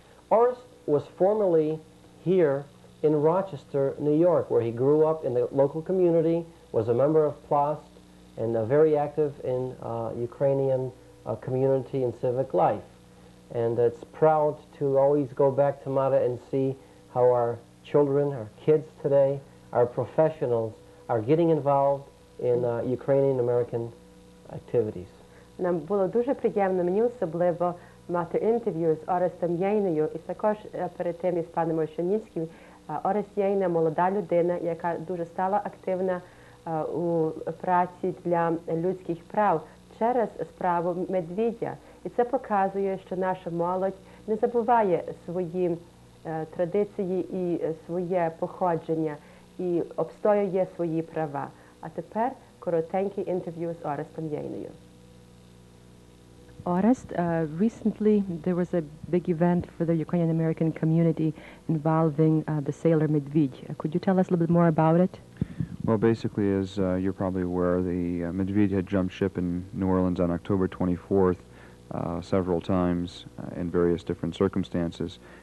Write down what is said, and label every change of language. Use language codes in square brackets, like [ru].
[en] Orest was formerly here in Rochester, New York, where he grew up in the local community, was a member of PLOST, and very active in Ukrainian community and civic life. And it's proud to always go back to Mata and see how our children, our kids today, our professionals are getting involved in Ukrainian-American activities. [uk] Нам було дуже приємно, мені особливо, мати інтерв'ю з Орестом Єйною. І також перед тим із паном Ольшанівським. Орест Єйна – молода людина, яка дуже стала активна у праці для людських прав через справу Медведя. І це показує, що наша молодь не забуває свої традиції і своє походження, і обстоює свої права. А тепер коротенький інтерв'ю з Орестом Єйною. [en] Orest, recently there was a big event for the Ukrainian-American community involving the sailor Medvedev. Could you tell us a little bit more about it? Well, basically, as you're probably aware, the Medvedev had jumped ship in New Orleans on October 24th several times in various different circumstances.